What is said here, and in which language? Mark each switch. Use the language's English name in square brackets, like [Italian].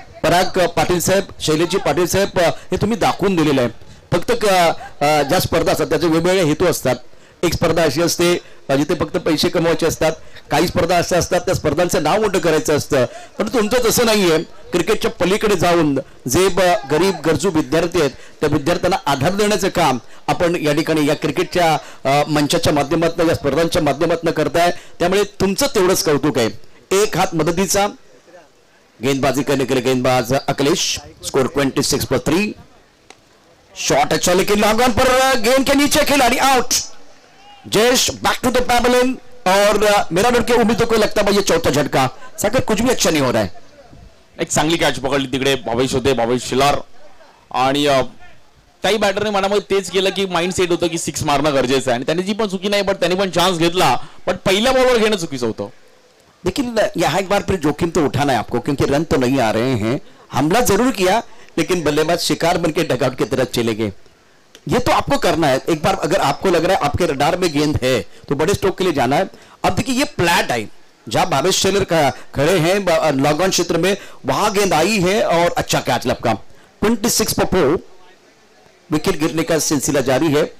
[Marathi] पराग पाटील साहेब, शैलेजी पाटील साहेब, हे तुम्ही दाखवून दिलेलं आहे, फक्त ज्या स्पर्धा असतात त्याचे वेगवेगळे हेतू असतात, एक स्पर्धा अशी असते जिथे फक्त पैसे कमवायचे असतात, काही स्पर्धा अशा असतात त्या स्पर्धांचं नाव मोठं करायचं असतं, पण तुमचं तसं नाहीये, क्रिकेटच्या पलीकडे जाऊन जे गरीब गरजू विद्यार्थी आहेत त्या विद्यार्थ्यांना आधार देण्याचं काम आपण या ठिकाणी या क्रिकेटच्या मंचाच्या माध्यमातून, या स्पर्धांच्या माध्यमातून करताय, त्यामुळे तुमचं तेवढंच कौतुक आहे। एक हात मदतीचा, [Hindi] गेंदबाजी करने के लिए गेंदबाज अकलेश, स्कोर 26/3, शॉट अच्छा लेकिन लॉन्ग ऑन पर गेंद के नीचे खिलाड़ी out, Jayesh back to the pavilion, और मेरा लड़के उम्मीद तो कोई लगता है ये चौथा झटका, सागर कुछ भी अच्छा नहीं हो रहा है। [Marathi] एक चांगली कैच पकड़ी तिकड़े भावेश होते, भावेश शिलार, काही बॅटरने मनामध्ये तेच केलं की माइंड सेट होतं की सिक्स मारणं गरजेचं आहे, आणि त्याने जी पण चुकी नाही बट त्यांनी पण चान्स घेतला, बट पहिल्या बॉलवर घेणं चुकीचं होतं। [Hindi] लेकिन यहां एक बार फिर जोखिम तो उठाना है आपको, क्योंकि रन तो नहीं आ रहे हैं, हमला जरूर किया लेकिन बल्लेबाज शिकार बन के डगआउट की तरफ चले गए, ये तो आपको करना है। एक बार अगर आपको लग रहा है आपके रडार में गेंद है तो बड़े स्ट्रोक के लिए जाना है। अब देखिए ये प्लैट आई जहां भावेश शेलर खड़े हैं लॉन्ग ऑन क्षेत्र में, वहां गेंद आई है और अच्छा कैच लपका, 26/4 विकेट गिरने का सिलसिला जारी है।